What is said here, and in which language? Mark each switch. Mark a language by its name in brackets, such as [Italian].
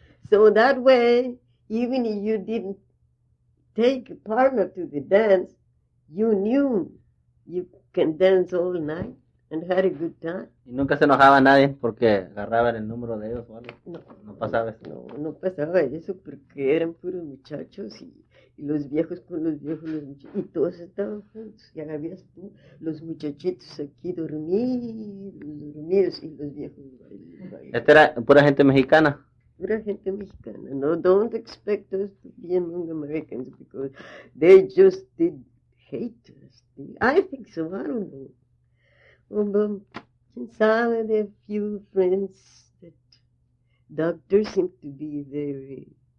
[English] So that way, even if you didn't take a partner to the dance, you knew you can dance all night and had a good time. [Spanish] Y nunca se enojaba a nadie porque agarraban el número de ellos o algo. No pasaba eso. No pasaba eso porque eran puros muchachos y... los viejos con los viejos, los muchachos, y todos estaban juntos. Ya habías tú, los muchachitos aquí dormidos, y los viejos. Esta era pura gente mexicana. Pura gente mexicana. [English] No, don't expect us to be among Americans, because they just did hate us. I think so, I don't know. Well, [Spanish] quién sabe, [English] there are a few friends that doctors seem to be very...